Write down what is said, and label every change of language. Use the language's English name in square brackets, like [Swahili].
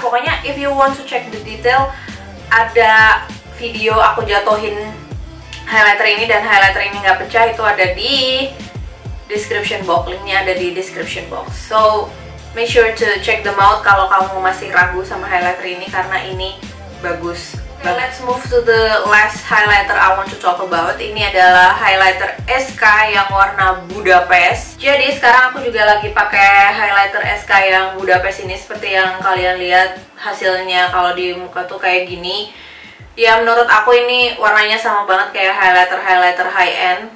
[Indonesian] Pokoknya [English] if you want to check the detail, [Indonesian] ada video aku jatuhin highlighter ini dan highlighter ini nggak pecah, itu ada di description box, linknya ada di description box. [English] So make sure to check them out [Indonesian] kalau kamu masih ragu sama highlighter ini karena ini bagus. [English] Okay, let's move to the last highlighter I want to talk about. [Indonesian] Ini adalah highlighter SK yang warna Budapest. Jadi sekarang aku juga lagi pakai highlighter SK yang Budapest ini. Seperti yang kalian lihat hasilnya kalau di muka tuh kayak gini. Ya menurut aku ini warnanya sama banget kayak highlighter-highlighter high-end.